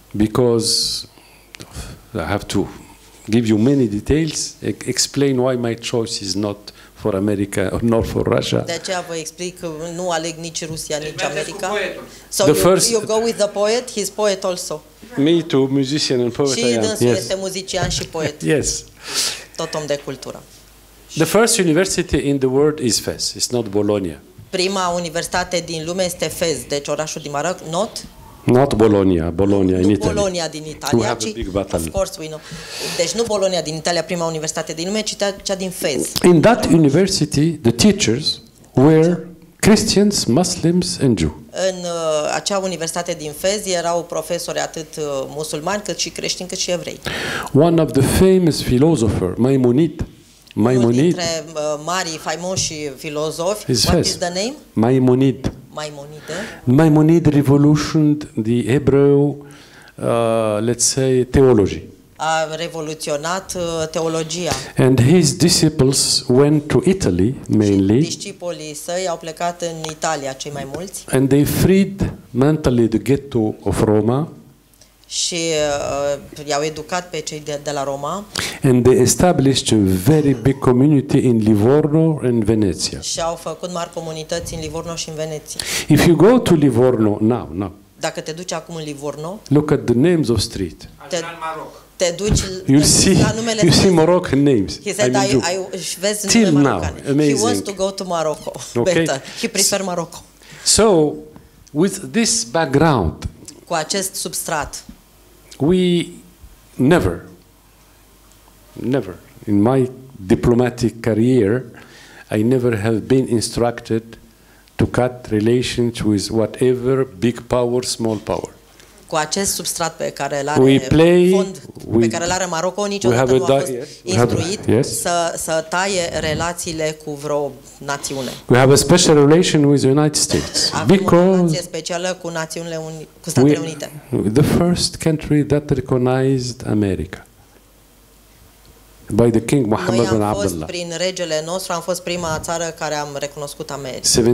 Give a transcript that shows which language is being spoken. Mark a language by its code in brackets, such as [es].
[en] Because I have to give you many details, explain why my choice is not for America or not for Russia. [ro] De aceea vă explic, nu aleg nici Rusia, nici America. [en] So the first, you go with the poet, he's poet also. Me too, musician and poet. [ro] Și dânsul este muzician și poet. [en] Yes. [ro] Tot om de cultură. [en] The first university in the world is Fez, it's not Bologna. [ro] Prima universitate din lume este Fez, deci orașul din Maroc, not... [en] Not Bologna, Bologna [ro] nu [en] in Italy. [ro] Bologna din Italia, ci, [en] of course we know. [ro] Deci nu Bologna din Italia, prima universitate din lume, ci cea din Fez. [en] In that university, the teachers were Christians, Muslims and Jews. [ro] În acea universitate din Fez erau profesori atât musulmani, cât și creștini, cât și evrei. [en] One of the famous philosopher, Maimonid. Maimonid. [ro] Unul dintre marii faimoși filozofi. [en] Is what Fez. Is the name? Maimonid. Maimonide. Maimonid revolutioned the Hebrew, let's say, theology. [ro] A revoluționat teologia. [en] And his disciples went to Italy mainly. [ro] Și discipolii săi au plecat în Italia cei mai mulți. [en] And they freed mentally the ghetto of Roma. [ro] Și i-au educat pe cei de la Roma. [en] And they established a very big community in Livorno and Venezia. [ro] Și au făcut mari comunități în Livorno și în Veneția. [en] If you go to Livorno now. [ro] Dacă te duci acum în Livorno. [en] Look at the names of street. [ro] Te duci la numele. [en] You see Moroccan names. He said, I [ro] vezi numele marocane. [en] Amazing. He wants to go to Morocco. Okay. He prefer Morocco. So With this background, [ro] cu acest substrat, [en] we never, never in my diplomatic career, I never have been instructed to cut relations with whatever big power, small power. [ro] Cu acest substrat pe care l-are fond, pe care l-are Marocco, niciodată nu a fost instruit să taie relațiile cu vreo națiune. [en] We have a special relation with the United States. [ro] Because o relație specială cu națiunile cu Statele Unite. [en] The first country that recognized America. By the King Mohammed bin Abdullah. [ro] Noi am fost prin regele nostru, am fost prima țară care am recunoscut America.